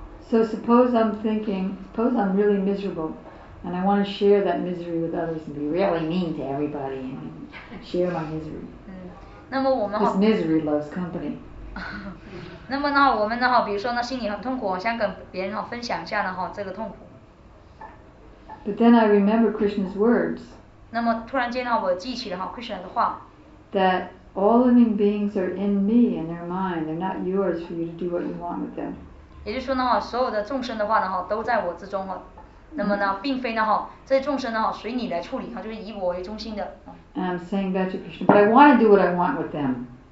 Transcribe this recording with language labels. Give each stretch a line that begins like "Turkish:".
English: So suppose I'm really miserable and I want to share that misery with others and be really mean to everybody. Share my misery. This misery loves company.
Chinese: 那么我们比如说心里很痛苦，想跟别人分享一下这个痛苦。
English: But then I remember Krishna's words.
Chinese: 那么突然间我记起了Krishna的话。
English: That all living beings are in me and they're mine. They're not yours for you to do what you want with them.
Chinese: 也就是说所有的众生的话都在我之中。那么并非这众生随你来处理就是以我为中心的。
English: And I'm saying that to Krishna, but I want to do what I want with them.